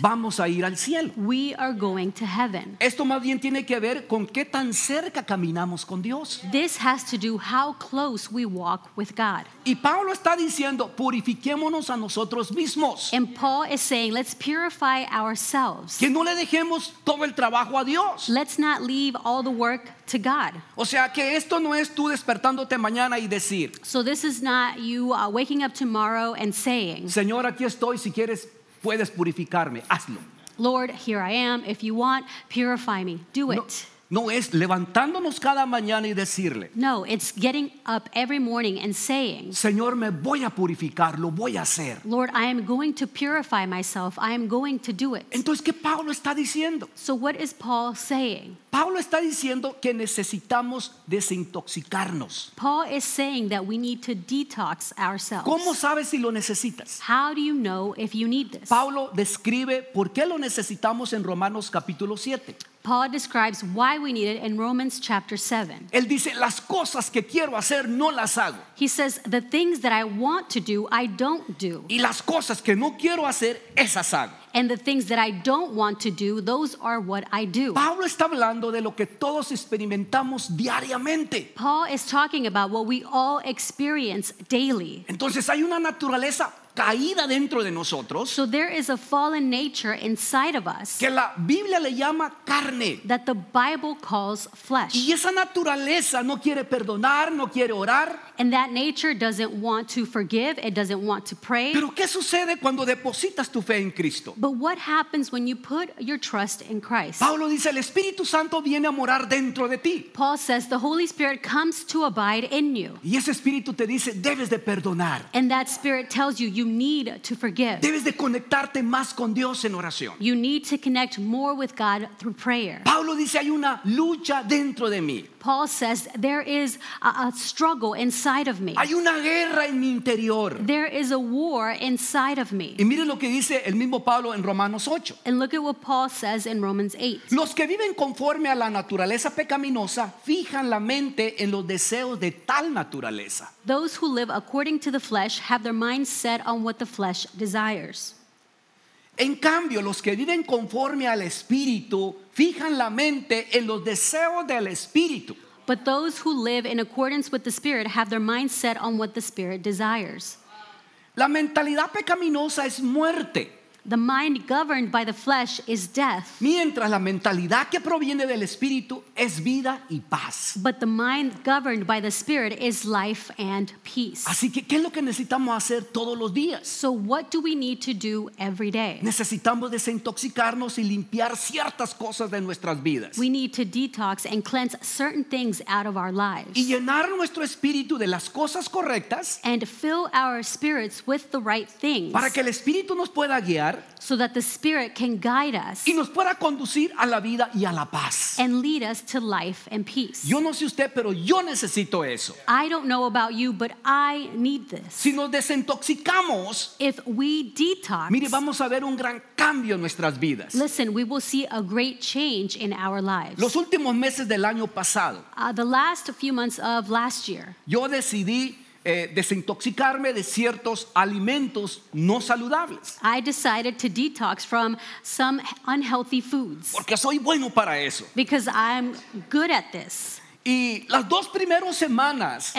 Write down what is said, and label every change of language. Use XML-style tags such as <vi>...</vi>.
<es>Vamos a ir al cielo.</es> <en>We are going to heaven.</en> <es>Esto más bien tiene que ver con qué tan cerca caminamos con Dios.</es> <en>This has to do how close we walk with God.</en> <es>Y Pablo está diciendo, purifiquémonos a nosotros mismos.</es> <en>And Paul is saying, let's purify ourselves.</en> <es>Que no le dejemos todo el trabajo a Dios.</es> <en>Let's not leave all the work to God.</en> <es>O sea, que esto no es tú despertándote mañana y decir.</es> <en>So this is not you waking up tomorrow and saying,</en> <es>Señor, aquí estoy, si quieres puedes purificarme, hazlo.</es> <en>Lord, here I am. If you want, purify me. Do it.</en> <es>No, no es levantándonos cada mañana y decirle.</es> <en>No, it's getting up every morning and saying.</en> <es>Señor, me voy a purificar. Lo voy a hacer.</es> <en>Lord, I am going to purify myself. I am going to do it.</en> <es>Entonces, ¿qué Pablo está diciendo?</es> <en>So what is Paul saying?</en> <es>Pablo está diciendo que necesitamos desintoxicarnos.</es> <en>Paul is saying that we need to detox ourselves.</en> <es>¿Cómo sabes si lo necesitas?</es> <en>How do you know if you need this?</en> <es>Pablo describe por qué lo necesitamos en Romanos capítulo 7.</es> <en>Paul describes why we need it in Romans chapter 7.</en> <es>Él dice, las cosas que quiero hacer no las hago.</es> <en>He says, the things that I want to do, I don't do.</en> <es>Y las cosas que no quiero hacer, esas hago.</es> <en>And the things that I don't want to do, those are what I do.</en> <es>Pablo está hablando de lo que todos experimentamos diariamente.</es> <en>Paul is talking about what we all experience daily.</en> <es>Entonces hay una naturaleza caída dentro de nosotros.</es> <en>So there is a fallen nature inside of us.</en> <es>Que la Biblia le llama carne.</es> <en>That the Bible calls flesh.</en> <es>Y esa naturaleza no quiere perdonar, no quiere orar.</es> <en>And that nature doesn't want to forgive, it doesn't want to pray.</en> <es>Pero ¿qué sucede cuando depositas tu fe en Cristo?</es> <en>But what happens when you put your trust in Christ?</en> <es>Pablo dice, el Espíritu Santo viene a morar dentro de ti.</es> <en>Paul says, the Holy Spirit comes to abide in you.</en> <es>Y ese Espíritu te dice, debes de perdonar.</es> <en>And that Spirit tells you, you need to forgive.</en> <es>Debes de conectarte más con Dios en oración.</es> <en>You need to connect more with God through prayer.</en> <es>Pablo dice, hay una lucha dentro de mí.</es> <en>Paul says, there is a struggle inside of me.</en> <es>Hay una guerra en mi interior.</es> <en>There is a war inside of me.</en> <es>Y mire lo que dice el mismo Pablo en Romanos 8.</es> <en>And look at what Paul says in Romans 8.</en> <es>Los que viven conforme a la naturaleza pecaminosa fijan la mente en los deseos de tal naturaleza.</es> <en>Those who live according to the flesh have their minds set on what the flesh desires.</en> <es>En cambio, los que viven conforme al Espíritu fijan la mente en los deseos del Espíritu.</es> <en>But those who live in accordance with the Spirit have their mind set on what the Spirit desires.</en> <es>La mentalidad pecaminosa es muerte.</es> <en>The mind governed by the flesh is death.</en> <es>Mientras la mentalidad que proviene del espíritu es vida y paz.</es> <en>But the mind governed by the spirit is life and peace.</en> <es>Así que, ¿qué es lo que necesitamos hacer todos los días?</es> <en>So what do we need to do every day?</en> <es>Necesitamos desintoxicarnos y limpiar ciertas cosas de nuestras vidas.</es> <en>We need to detox and cleanse certain things out of our lives.</en> <es>Y llenar nuestro espíritu de las cosas correctas.</es> <en>And fill our spirits with the right things.</en> <es>Para que el espíritu nos pueda guiar.</es> <en>So that the Spirit can guide us</en> <es>y nos pueda conducir a la vida y a la paz.</es> <en>And lead us to life and peace.</en> <es>Yo no sé usted, pero yo necesito eso.</es> <en>I don't know about you, but I need this.</en> <es>Si nos desintoxicamos,</es> <en>if we detox,</en> <es>mire, vamos a ver un gran cambio en nuestras vidas.</es> <en>Listen, we will see a great change in our lives.</en> <es>Los últimos meses del año pasado,</es> <en>the last few months of last year,</en> <es>yo decidí desintoxicarme de ciertos alimentos no saludables.</es> <en>I decided to detox from some unhealthy foods.</en> <es>Porque soy bueno para eso.</es> <en>Because I'm good at this.</en> <es>Y las dos primeras semanas</es>